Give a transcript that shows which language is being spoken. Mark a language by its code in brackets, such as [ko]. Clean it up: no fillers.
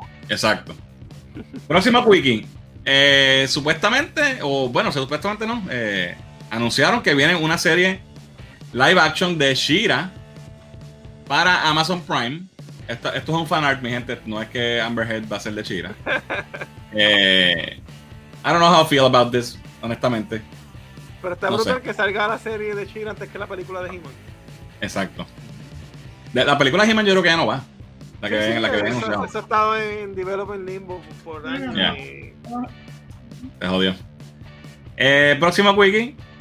[es] Exacto. Próxima wiki. Supuestamente, supuestamente no. Anunciaron que viene una serie live action de She-Ra para Amazon Prime. Esto es un fanart, mi gente. No es que Amber Heard va a ser de Chira. [en] I don't know how I feel about this, [es] honestamente. Pero está brutal, no sé. Que salga la serie de Chira antes que la película de He-Man. Exacto. La película de He-Man yo creo que ya no va. La que, sí, sí, la que eso, viene eso, eso ha estado en [en] development limbo [es] por años. [en] Yeah. [es] Te jodió. Próximo wiki.